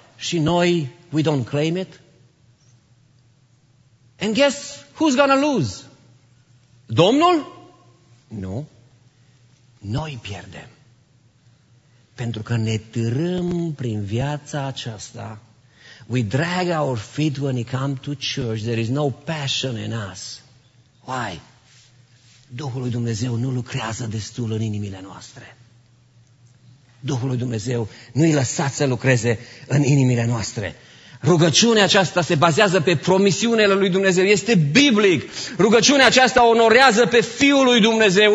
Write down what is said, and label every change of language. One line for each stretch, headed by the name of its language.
Romanian: Și noi,
English: we don't claim it? And guess who's gonna lose?
Romanian: Domnul? Nu. Noi pierdem. Pentru că ne târâm prin viața aceasta.
English: We drag our feet when we come to church. There is no passion in us. Why?
Romanian: Duhul lui Dumnezeu nu lucrează destul în inimile noastre. Duhul lui Dumnezeu nu-i lăsat să lucreze în inimile noastre. Rugăciunea aceasta se bazează pe promisiunile lui Dumnezeu. Este biblic. Rugăciunea aceasta onorează pe Fiul lui Dumnezeu.